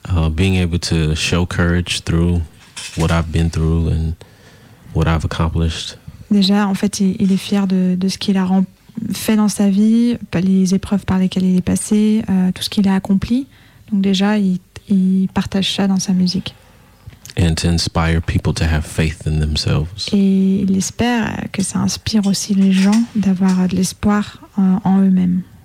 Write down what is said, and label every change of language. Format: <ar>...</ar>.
<en>Being able to show courage through what I've been through and what I've accomplished.</en> <fr>Déjà, en fait, il est fier de ce qu'il a rempli. Fait dans sa vie, les épreuves par lesquelles il est passé, tout ce qu'il a accompli. Donc déjà, il partage ça dans sa musique.</fr> <en>And to inspire people to have faith in themselves.</en> <fr>Et il espère que ça inspire aussi les gens d'avoir de l'espoir en eux-mêmes.</fr>